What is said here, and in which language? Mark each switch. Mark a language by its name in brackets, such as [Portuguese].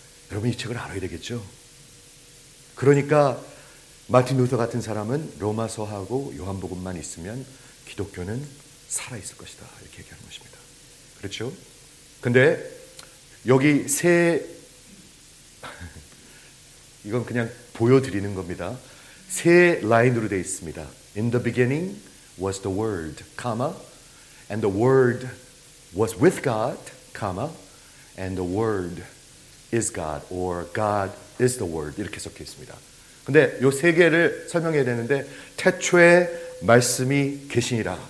[Korean] 여러분 이 책을 알아야 되겠죠? 그러니까 마틴 루터 같은 사람은 로마서하고 요한복음만 있으면 기독교는 살아있을 것이다 이렇게 얘기하는 것입니다. 그렇죠? 근데 여기 세 이건 그냥 보여드리는 겁니다. 세 라인으로 되어 있습니다. [English] In the beginning was the word, comma, and the word was with God, comma, and the word is God, or God is the word. [Korean] 이렇게 적혀 있습니다. 근데 요 세 개를 설명해야 되는데 태초에 말씀이 계시니라.